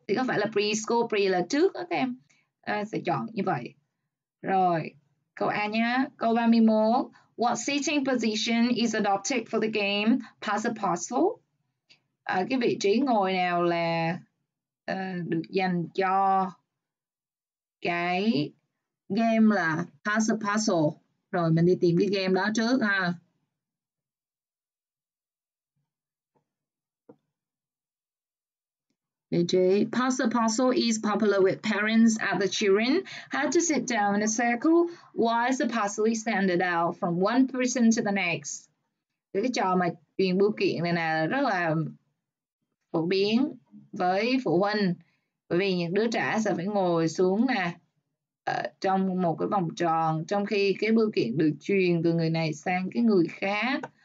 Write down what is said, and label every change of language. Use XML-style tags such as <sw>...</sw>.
<vi>Thì có phải là preschool, pre là trước đó các em? Sẽ chọn như vậy. Rồi, câu A nha, câu 31.</vi> <en>What seating position is adopted for the game? Pass a parcel.</en> <vi>Cái vị trí ngồi nào là được dành cho cái game là pass a parcel. Rồi mình đi tìm cái game đó trước ha.</vi> <en>Pass the parcel is popular with parents and the children. Had to sit down in a circle while the parcel is handed out from one person to the next.</en> <vi>Cái trò mà truyền bưu kiện này nè rất là phổ biến với phụ huynh, bởi vì những đứa trẻ sẽ phải ngồi xuống nè trong một cái vòng tròn, trong khi cái bưu kiện được truyền từ người này sang cái người khác.</vi>